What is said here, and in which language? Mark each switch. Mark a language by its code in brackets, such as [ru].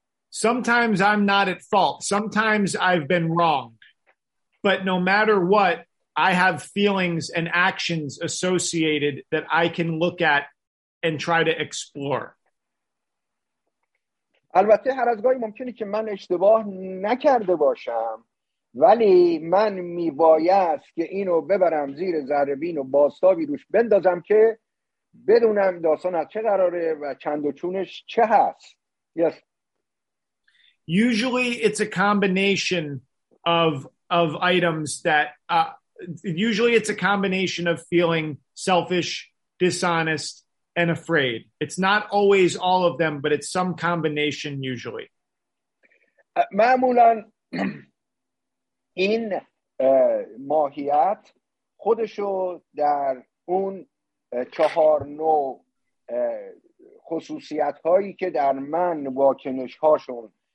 [en] Sometimes I'm not at fault. Sometimes I've been wrong. But no matter what, I have feelings and actions associated that I can look at and try to explore. [fa] البته هر از گاهی ممکنه که من اشتباه نکرده باشم، ولی من میبایست که اینو ببرم زیر ذره‌بین و بازتابی روش بندازم که بدونم داستان از چه قراره و چند و چونش چه هست. [en] Yes. Usually it's a combination of items that usually it's a combination of feeling selfish, dishonest, and afraid. It's not always all of them, but it's some combination usually. [fa] معمولاً این ماهیت خودشو در اون چهار نوع خصوصیت هایی که در من واکنش هاشون